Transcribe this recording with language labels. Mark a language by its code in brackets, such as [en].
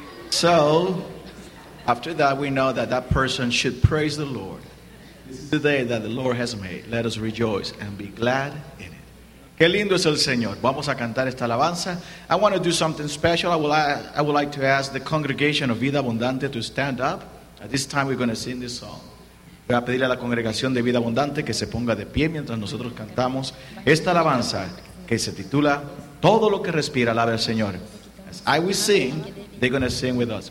[en] So, after that, we know that that person should praise the Lord. Today that the Lord has made, let us rejoice and be glad in it. [es] Qué lindo es el Señor. Vamos a cantar esta alabanza. [en] I want to do something special. I would like to ask the congregation of Vida Abundante to stand up. At this time, we're going to sing this song. [es] Voy a pedirle a la congregación de Vida Abundante que se ponga de pie mientras nosotros cantamos esta alabanza que se titula Todo lo que respira, alaba al Señor. [en] As I will sing, they're going to sing with us.